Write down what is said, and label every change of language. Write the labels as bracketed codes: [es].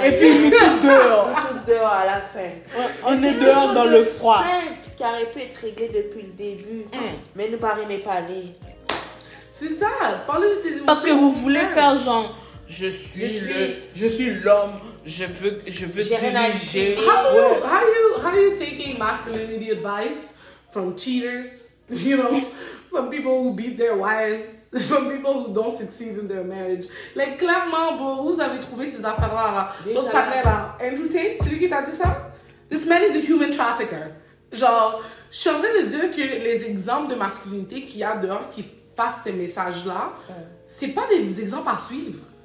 [fr] et puis, nous tous dehors. Nous tous dehors à la fin. On est dehors dans le froid. C'est un simple qui aurait pu être réglé depuis le début. Mmh. Mais ne pas aimer parler. C'est ça, parler de tes émotions. Parce que vous voulez faire genre, je suis l'homme. Je veux diriger. [en] How are you taking masculinity advice from cheaters? You know, from people who beat their wives, from people who don't succeed in their marriage. [fr] Like, clairement, bon, vous avez trouvé ces affaires-là, là. Donc, parlez là. Andrew Tate, c'est lui qui t'a dit ça? [en] This man is a human trafficker. [fr] Genre, je suis en train de dire que les exemples de masculinité qu'il y a dehors qui passent ces messages-là, c'est pas des exemples à suivre.